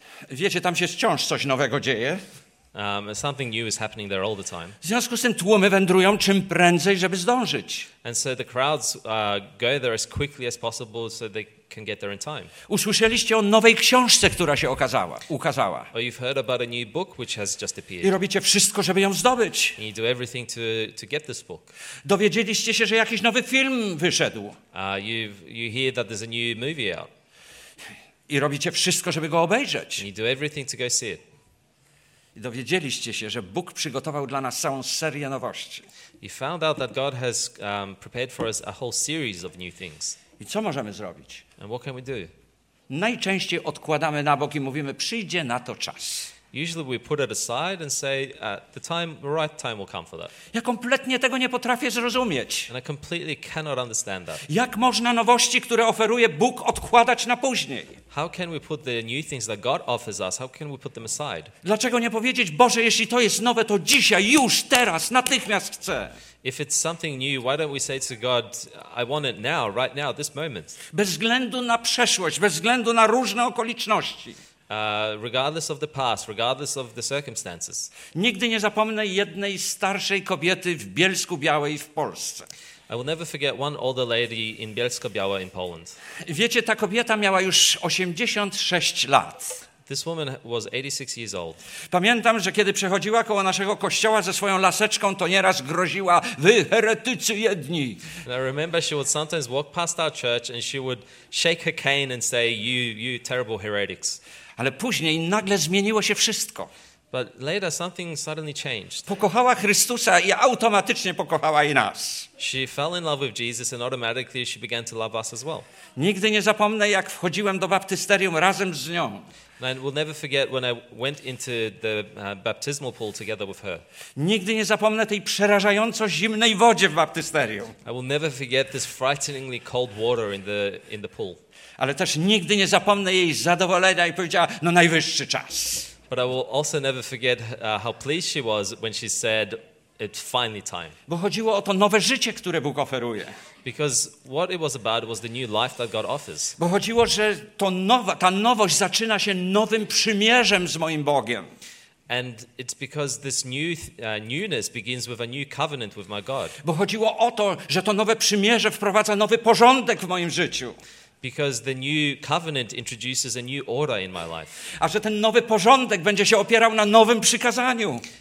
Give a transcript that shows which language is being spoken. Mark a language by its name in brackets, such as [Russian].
[Polish] Wiecie, tam się wciąż coś nowego dzieje. [English] Something new is happening there all the time. [Polish] W związku z tym tłumy wędrują czym prędzej, żeby zdążyć. [English] And so the crowds go there as quickly as possible so they can get there in time. [Polish] Usłyszeliście o nowej książce, która się ukazała. [English] Or you've heard about a new book which has just appeared. [Polish] I robicie wszystko, żeby ją zdobyć. [English] And you do everything to get this book. [Polish] Dowiedzieliście się, że jakiś nowy film wyszedł. [English] You hear that there's a new movie out. [Polish] I robicie wszystko, żeby go obejrzeć. [English] And you do everything to go see it. [Polish] I dowiedzieliście się, że Bóg przygotował dla nas całą serię nowości. [English] You found out that God has prepared for us a whole series of new things. [Polish] I co możemy zrobić? [English] And what can we do? [Polish] Najczęściej odkładamy na bok i mówimy, przyjdzie na to czas. [English] Usually we put it aside and say, the right time will come for that. [Polish] Ja kompletnie tego nie potrafię zrozumieć. [English] And I completely cannot understand that. [Polish] Jak można nowości, które oferuje Bóg, odkładać na później? [English] How can we put the new things that God offers us, how can we put them aside? [Polish] Dlaczego nie powiedzieć, Boże, jeśli to jest nowe, to dzisiaj, już, teraz, natychmiast chcę. [English] If it's something new, why don't we say to God, I want it now, right now, this moment. [Polish] Bez względu na przeszłość, bez względu na różne okoliczności. [English] Regardless of the past, regardless of the circumstances. [Polish] Nigdy nie zapomnę jednej starszej kobiety w Bielsku Białej w Polsce. [English] I will never forget one older lady in Bielsko-Biała in Poland. [Polish] Wiecie, ta kobieta miała już 86 lat. [English] This woman was 86 years old. [Polish] Pamiętam, że kiedy przechodziła koło naszego kościoła ze swoją laseczką, to nieraz groziła, wy heretycy jedni. [English] And I remember she would sometimes walk past our church and she would shake her cane and say, you terrible heretics. [Polish] Ale później nagle zmieniło się wszystko. [English] But later something suddenly changed. [Polish] Pokochała Chrystusa i automatycznie pokochała i nas. [English] She fell in love with Jesus and automatically she began to love us as well. [Polish] Nigdy nie zapomnę, jak wchodziłem do baptysterium razem z nią. [English] And we'll never forget when I went into the baptismal pool together with her. [Polish] Nigdy nie zapomnę tej przerażająco zimnej wodzie w baptysterium. [English] I will never forget this frighteningly cold water in the pool. [Polish] Ale też nigdy nie zapomnę jej zadowolenia i powiedziała: no najwyższy czas. [English] But I will also never forget how pleased she was when she said, "It's finally time." [Polish] Bo chodziło o to nowe życie, które Bóg oferuje. [English] Because what it was about was the new life that God offers. [Polish] Bo chodziło, że to ta nowość zaczyna się nowym przymierzem z moim Bogiem. [English] And it's because this new newness begins with a new covenant with my God. [Polish] Bo chodziło o to, że to nowe przymierze wprowadza nowy porządek w moim życiu. [English] Because the new covenant introduces a new order in my life. [Polish] A że ten nowy porządek będzie się opierał na nowym przykazaniu.